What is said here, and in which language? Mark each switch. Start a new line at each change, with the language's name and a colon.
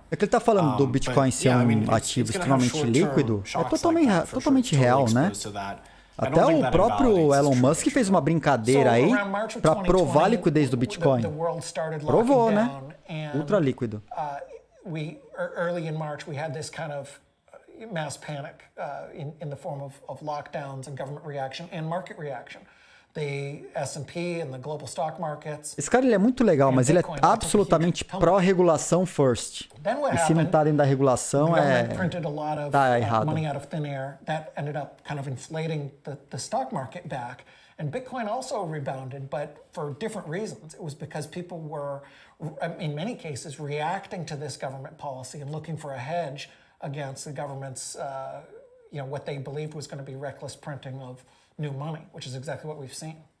Portuguese: É que ele tá falando do Bitcoin ser um ativo extremamente líquido. É totalmente real, né? Até o próprio Elon Musk fez uma brincadeira aí para provar a liquidez do Bitcoin. Provou, né? Ultra líquido.
English: Early in March, we had this kind of mass panic in the form of lockdowns and government reaction and market reaction. The S&P and the global stock markets.
Portuguese: Esse cara, ele é muito legal, mas ele é absolutamente pró-regulação first. E se não tá dentro da regulação, é... tá errado.
English: Money out of thin air. That ended up kind of inflating the stock market back. And Bitcoin also rebounded, but for different reasons. It was because people were, in many cases, reacting to this government policy and looking for a hedge against the government's, you know, what they believed was going to be reckless printing of new money, which is exactly what we've seen.